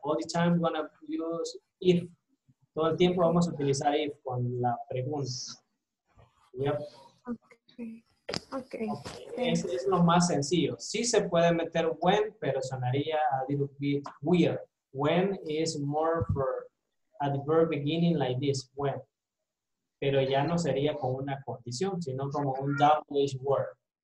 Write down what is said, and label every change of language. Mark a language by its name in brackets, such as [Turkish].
[English] All the time we're going to use if. [Spanish] Todo el tiempo vamos a utilizar if con la pregunta. [English] Yep. Okay. [Spanish] Es lo más sencillo. Sí se puede meter when, pero sonaría [English] a little bit weird. When is more for at the verb beginning like this, when. [Spanish] Pero ya no sería con una condición, sino como un WH word.